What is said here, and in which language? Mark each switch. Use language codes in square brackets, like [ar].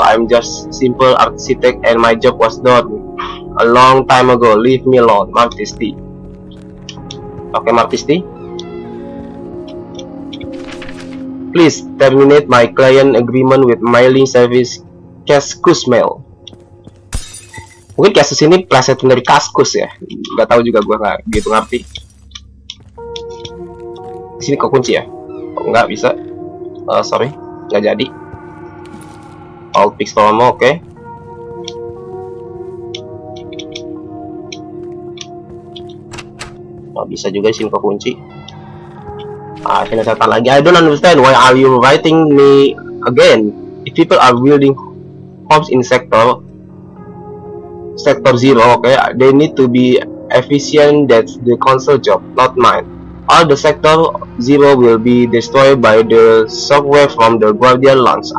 [en] I'm just simple architect and my job was done a long time ago. Leave me alone, Martis T. Okay, Martis T. Please terminate my client agreement with mailing service Cascus Mail. [id] Mungkin Cascus ini preset dari Cascus ya. Gak tahu juga gua enggak gitu ngerti. Di sini kok kunci ya? Kok enggak bisa. Sorry, enggak jadi. [en] All pixel mode, [id] oke. Enggak bisa juga di sini kok kunci. Ah, kena catatan lagi. [en] I don't understand why are you writing me again? If people are building homes in sector zero, okay, they need to be efficient. That's the council job, not mine. All the sector zero will be destroyed by the software from the Guardian launch.